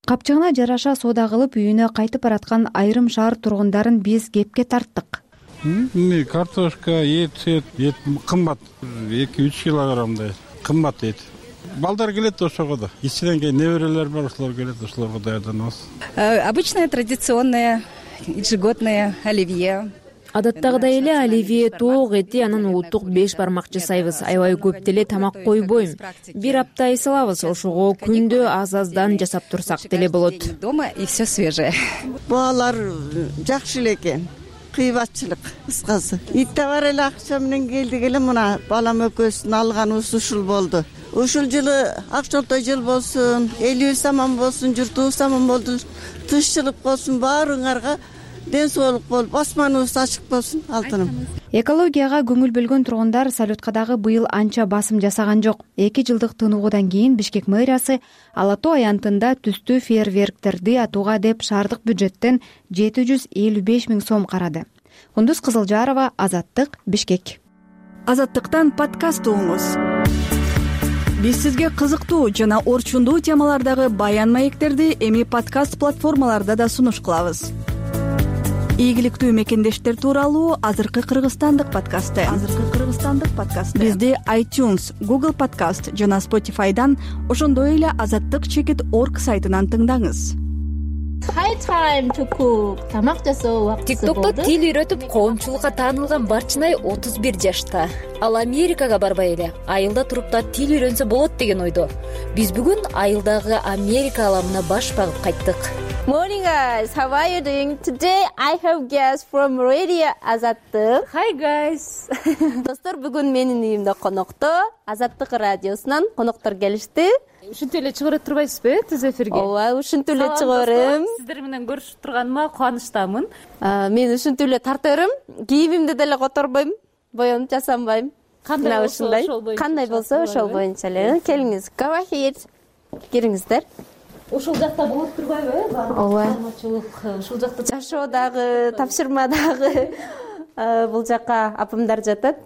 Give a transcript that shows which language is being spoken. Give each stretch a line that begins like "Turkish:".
Kyrgyz: Капчыгына жараша соода кылып үйүнө кайтып бараткан айрым шаар тургундарын биз кепке тарттык. Эмне картошка, эт кымбат, 2-3 килограммдай кымбат эт. Балдар келет ошого да. Кичинен кийин неберелер бар, ошолор келет, ошолорго даярданабыз.
Russian: Обычное традиционное ежегодное оливье.
Kyrgyz: Адаттагыдай эле оливье, тоок эти, анан улуттук беш бармакчы сайбыз. Аябай көп деле тамак койбойм. Бир апта эсалабыз, ошого күндө аз-аздан жасап турсак деле болот.
Russian: Дома и все свежее.
Kyrgyz: Баалар жакшы эле экен. кыйбатчылык кыскасы. Ит товар эле акча менен келдик эле мына балам өкөсүн алганыбыз ушул болду. Ушул жылы ак жолтой жыл болсун, элибиз аман болсун, журтубуз аман болсун, тынччылык болсун, баарыңарга ден соолук болуп, асманыбыз ачык болсун алтыным. Экологияга көңүл бөлгөн тургундар салютка дагы быйыл анча басым жасаган жок. Эки жылдык тыныгуудан кийин Бишкек мэриясы Ала Тоо аянтында түстүү фейерверктерди атууга деп шаардык бюджеттен 755,000 сом карады. Кундуз Кызылжарова, Азаттык, Бишкек. Азаттыктан подкаст угуңуз. Биз сизге кызыктуу жана орчундуу темалардагы баян маектерди эми подкаст платформаларда да сунуш кылабыз. Ийгиликтүү мекендештер тууралуу азыркы кыргызстандык подкасты. Бизди iTunes, Google Podcast жана Spotify'дан, ошондой эле азаттык чекит орг сайтынан тыңдаңыз.
English: High time to cook.
Kyrgyz: Тамак жасоо убактысы. TikTokто тил үйрөтүп коомчулукка таанылган Барчынай 31 жашта. Ал Америкага барбай эле, айылда туруп да тил үйрөнсө болот деген ойдо. Биз бүгүн айылдагы Америка аламына баш багып кайттык.
English: Morning guys, how are you doing? Today I have guests from Radio Azattık. Hi guys.
Kyrgyz: Достор, бүгүн менин үйүмдө конокто, Азаттык радиосунан коноктор келишти. Ушинтип эле чыгарып турбайсызбы түз эфирге? Ооба, ушинтип эле чыгарым. Сиздер менен көрүшүп турганыма кубанычтамын. Мен ушинтип эле тарта берем. Кийимимди деле которбойм, боёнуп жасанбайм. Кандай болсо ошол боюнча. Кандай болсо ошол боюнча эле. Келиңиз.
English: Come here.
Kyrgyz: Кириңиздер. Ошол жакта болуп турбайбы? Ооба. Чарчоочулук ушул жакта жашоодагы, тапшырмадагы бул жакка апамдар жатат.